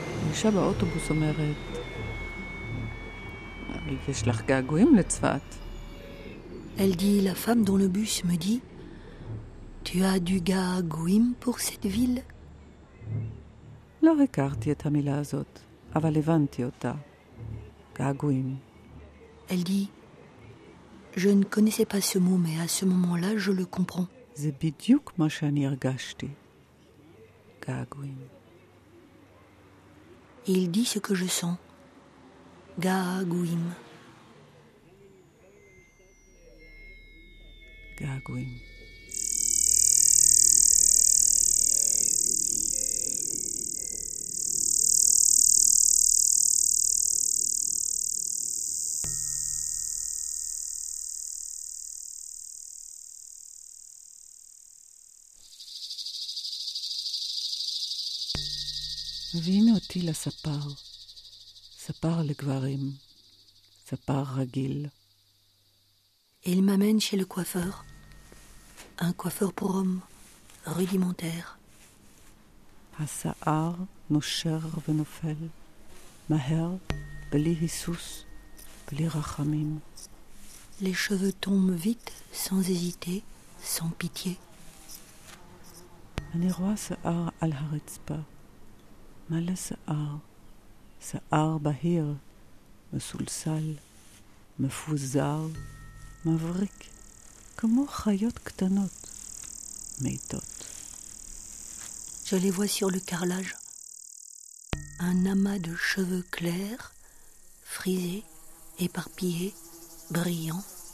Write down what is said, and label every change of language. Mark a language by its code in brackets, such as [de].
[he] אישה באוטובוס אומרת, יש לך געגועים לצפת. [fr] Elle dit, la femme dans le bus me dit, tu as du געגועים pour cette ville? [he] לא הכרתי את המילה הזאת, אבל הבנתי אותה. געגועים. [fr] Elle dit, je ne connaissais pas ce mot, mais à ce moment-là, je le comprends. [he] זה בדיוק מה שאני הרגשתי. געגועים. [fr] Il dit ce que je sens. Gaagouim. [he] Gaagouim. מביאים אותי לספר, ספר לגברים, ספר רגיל. [fr] Il m'amène chez le coiffeur, un coiffeur pour homme, rudimentaire. [he] השיער נושר ונופל, מהר, בלי היסוס, בלי רחמים. [fr] Les cheveux tombent vite, sans hésiter, sans pitié. [he] אני רואה שיער על הרצפה. מלא שיער, שיער בהיר, מסולסל, מפוזר, מבריק, כמו חיות קטנות, מיטות. [fr] Je les vois sur le carrelage. Un amas de cheveux clairs, frisés, éparpillés, brillants.